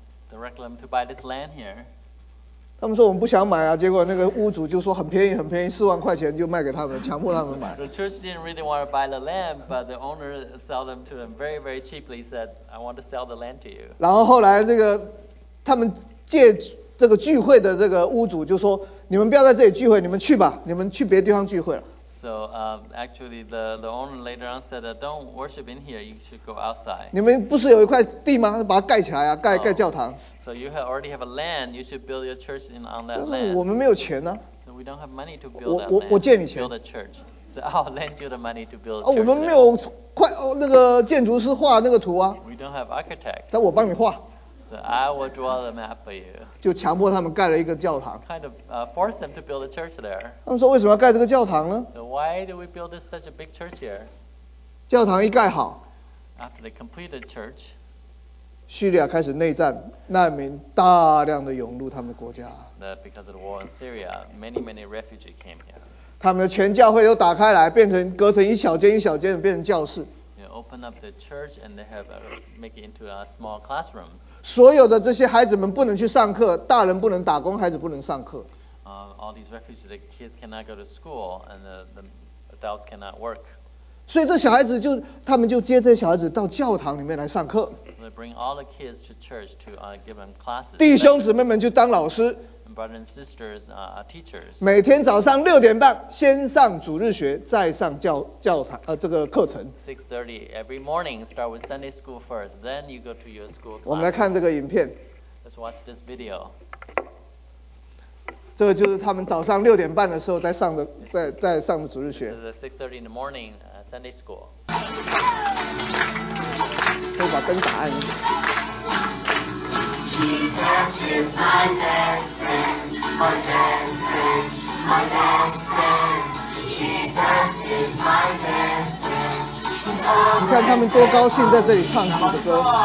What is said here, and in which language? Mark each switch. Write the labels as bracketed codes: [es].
[en] Directed them to buy this land here. [zh] 他们说我们不想买啊，结果那个屋主就说很便宜很便宜，4万块钱就卖给他们，强迫他们买。 [en] The church didn't really want to buy the land, but the owner sold them to them very very cheaply. Said, I want to sell the land to you. [zh] 然后后来这个他们借这个聚会的这个屋主就说，你们不要在这里聚会，你们去吧，你们去别的地方聚会了。 [en] So actually the owner later on said, don't worship in here, you should go outside. [zh] 你们不是有一块地吗？把它盖起来啊，盖教堂。 [en] So you have already have a land, you should build your church in on that land. [zh] 但是我们没有钱呢。 [en] So we don't have money to build that land. [zh] 我借你钱。 [en] Build a church. So I'll lend you the money to build a church. [zh] 我们没有那个建筑师画那个图啊。 [en] We don't have architect. [zh] 但我帮你画。 [en] So I will draw the map for you. [zh] 就强迫他们盖了一个教堂。 [en] Kind of force them to build a church there. [zh] 他们说为什么要盖这个教堂呢？ [en] So why do we build this such a big church here? [zh] 教堂一盖好。 [en] After they complete the church. [zh] 叙利亚开始内战，难民大量的涌入他们的国家。 [en] That because of the war in Syria, many many refugees came here. [zh] 他们的全教会都打开来，变成隔成一小间一小间，变成教室。 [en] Open up the church and they have make it into small classrooms. [zh] 所有的这些孩子们不能去上课，大人不能打工，孩子不能上课。 [en] All these refugees, the kids cannot go to school and the adults cannot work. [zh] 所以这小孩子就他们就接这小孩子到教堂里面来上课。 [en] They bring all the kids to church to give them classes. [zh] 弟兄姊妹们就当老师。 [en] And brothers and sisters are teachers. [zh] 每天早上6:30先上主日学，再上教堂这个课程。 [en] 6:30 every morning, start with Sunday school first, then you go to your school class. [zh] 我们来看这个影片。 [en] Let's watch this video. [zh] 这个就是他们早上六点半的时候在上的在上的主日学。 [en] This is the 6:30 in the morning Sunday school. [zh] 可以把灯打暗一点。 [en] Jesus is my best friend, my best friend, my best friend. Jesus is my best friend. He's all my best friend. [zh] 你看他们多高兴在这里唱主的歌。